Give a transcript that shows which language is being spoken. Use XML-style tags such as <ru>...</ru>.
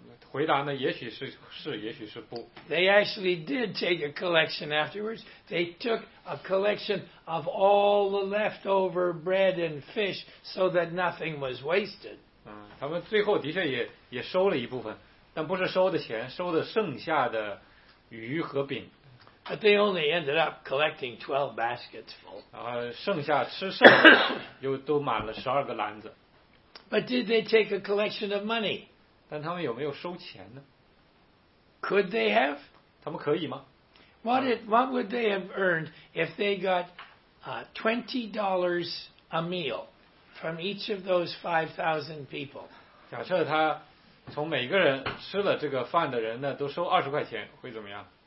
<zh>回答呢，也许是是，也许是不。</zh> <en>They actually did take a collection afterwards. They took a collection of all the leftover bread and fish, so that nothing was wasted.</en> <zh>他们最后的确也收了一部分，但不是收的钱，收的剩下的鱼和饼。</zh> <en>But they only ended up collecting 12 baskets full.</en> <zh>然后剩下吃剩的又都满了12个篮子。</zh> <en>But did they take a collection of money?</en> <zh>但他们有没有收钱呢？</zh> <en>Could they have?</en> <zh>他们可以吗？</zh> <en>What would they have earned if they got $20 a meal from each of those 5,000 people?</en> <zh>假设他从每个人吃了这个饭的人呢，都收20块钱，会怎么样？</zh>